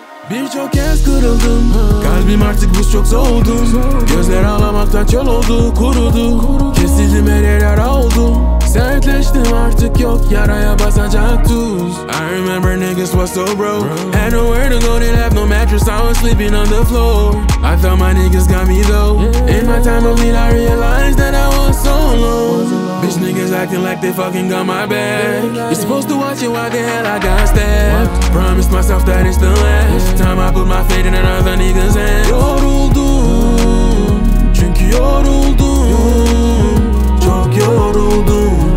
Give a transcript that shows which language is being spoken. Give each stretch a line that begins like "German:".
Turkish: Birçok kez kırıldım, kalbim artık buz çok soğudu. Gözler ağlamaktan çöl oldu, kurudu. Kesildim her yer yara oldu. Sertleştim artık yok yaraya basacak tuz.
English: I remember niggas was so broke. Had nowhere to go, didn't have no mattress. I was sleeping on the floor. I thought my niggas got me though. In my time of need I realized that I was so alone. Bitch niggas acting like they fucking got my back. You're supposed to watch it, why the hell I got stabbed? Promised myself that it's the last time I put my fate in another nigga's hands.
Turkish: Yoruldum, çünkü yoruldum. Çok yoruldum.